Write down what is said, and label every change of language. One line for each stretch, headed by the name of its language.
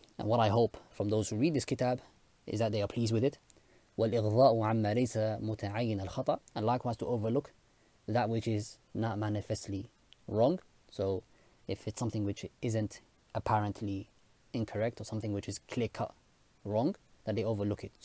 English: And what I hope from those who read this kitab is that they are pleased with it.
Arabic: والإغضاء عما ليس متعين الخطأ.
English: And likewise to overlook that which is not manifestly wrong. So if it's something which isn't apparently incorrect or something which is clear-cut wrong, that they overlook it.